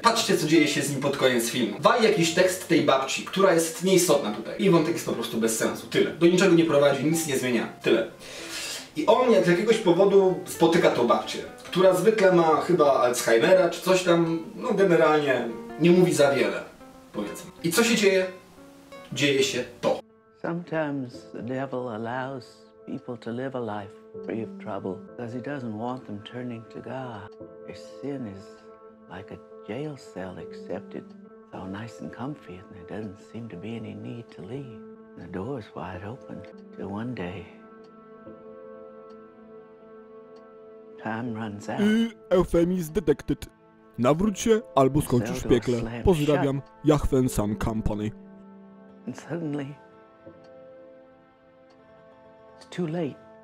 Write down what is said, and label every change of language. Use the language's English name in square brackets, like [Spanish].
[Polish] Patrzcie, co dzieje się z nim pod koniec filmu. Wali jakiś tekst tej babci, która jest nieistotna tutaj. I wątek jest po prostu bez sensu. Tyle. Do niczego nie prowadzi, nic nie zmienia. Tyle. I on z jakiegoś powodu spotyka tą babcię, która zwykle ma chyba Alzheimera czy coś tam. No generalnie nie mówi za wiele, powiedzmy. I co się dzieje? Dzieje się to. [English] Sometimes the devil allows people to live a life free of trouble, because he doesn't want them turning to God. Their sin is like a jail cell, except it's all nice and comfy, and there doesn't seem to be any need to leave. And the door is wide open, till one day, time runs out. I euphemism detected. [Polish] Nawróć się, albo skończysz w piekle. Pozdrawiam, Jahwe & Son Company. [English] And suddenly, it's too late.